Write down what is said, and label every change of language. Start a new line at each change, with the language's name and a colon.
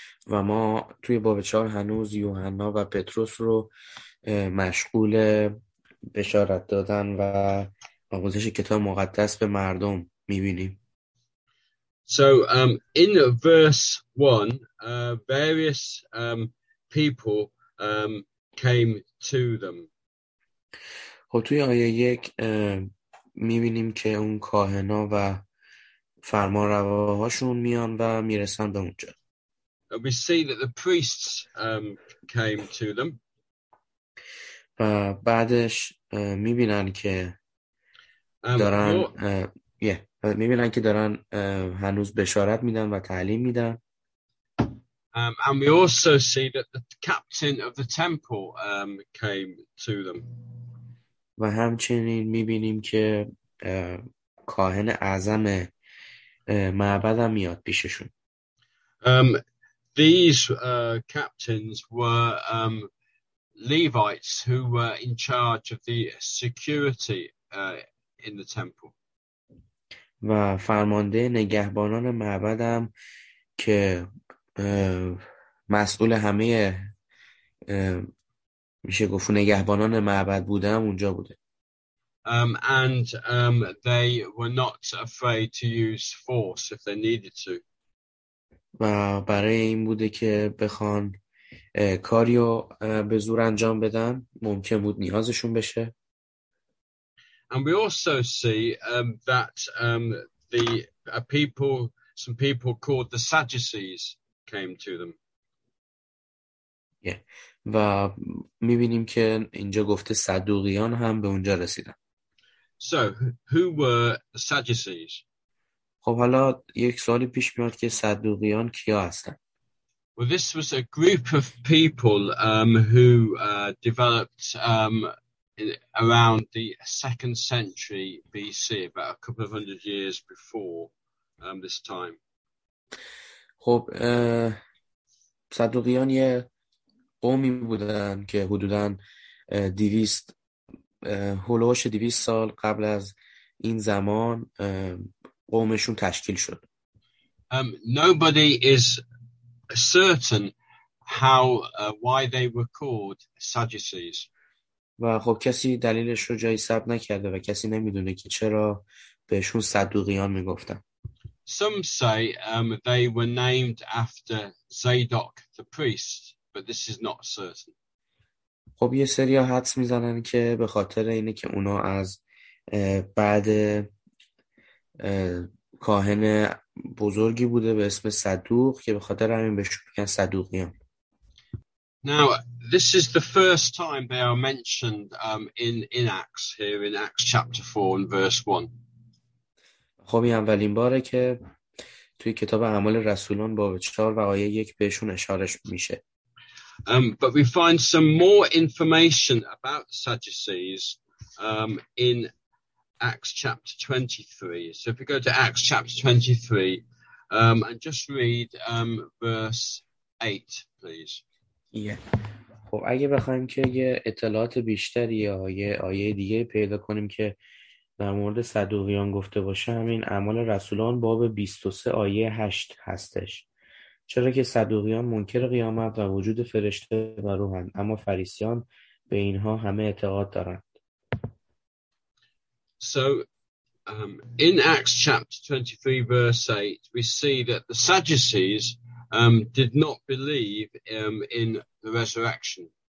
Persian: و ما توی باب 4 هنوز یوحنا و پتروس رو مشغول بشارت دادن و آموزش کتاب مقدس به مردم می‌بینیم.
English: So in verse 1 various people came to them.
Persian: خب توی آیه 1 می‌بینیم که اون کاهنا و فرمانرواهاشون میان و میرسن به اونجا.
English: We see that the priests came to them.
Persian: و بعدش میبینن که دارن میبینن که دارن هنوز بشارت میدن و تعلیم میدن.
English: And we also see that the captain of the temple came to them.
Persian: و همچنین میبینیم که کاهن اعظم معبد هم میاد پیششون.
English: These captains were Levites who were in charge of the security in the temple.
Persian: و فرمانده نگهبانان معبد هم که مسئول همه میشه گفت نگهبانان معبد بوده هم اونجا بوده.
English: And they were not afraid to use force if they needed to.
Persian: و برای این بوده که بخوان کاریو به زور انجام بدن ممکن بود نیازشون بشه.
English: And we also see that the people, some people called the Sadducees came to them. Yeah.
Persian: و میبینیم که اینجا گفته صدوقیان هم به اونجا رسیدن.
English: So who were the Sadducees?
Persian: خب حالا یک سوالی پیش میاد که صدوقیان کیا هستن؟
English: Well, this was a group of people who developed around the second century BC, about a couple of hundred years before this time.
Persian: خب صدوقیان یه قومی بودن که حدوداً 200 هولوش 200 سال قبل از این زمان قومشون تشکیل شد.
English: Nobody is certain how why they were called Sadducees.
Persian: و خب کسی دلیلش رو جایی ثبت نکرده و کسی نمیدونه که چرا بهشون صدوقیان میگفتن.
English: Some say they were named after Zadok the priest, but this is not certain.
Persian: خب یه سری ها حدس میزنن که به خاطر اینه که اونا از بعد کاهن بزرگی بوده به اسم صدوق که به خاطر همین بهش میگن صدوقیان.
English: Now this is the first time they are mentioned in Acts here in Acts chapter 4 and verse 1.
Persian: خب این اولین باره که توی کتاب اعمال رسولان باب 4 و آیه 1 بهشون اشاره میشه.
English: But we find some more information about the Sadducees in Acts chapter 23. So if we go to Acts chapter 23 and just read verse 8, please. Yeah.
Persian: خب اگه بخوایم که یه اطلاعات بیشتری یا یه آیه دیگه پیدا کنیم که در مورد صدوقیان گفته باشه، همین اعمال رسولان باب 23 آیه 8 هستش. چرا که صدوقیان منکر قیامت و وجود فرشته و روحند، اما فریسیان به اینها همه اعتقاد دارند.
English: So in Acts chapter 23 verse 8 we see that the Sadducees did not believe in the resurrection.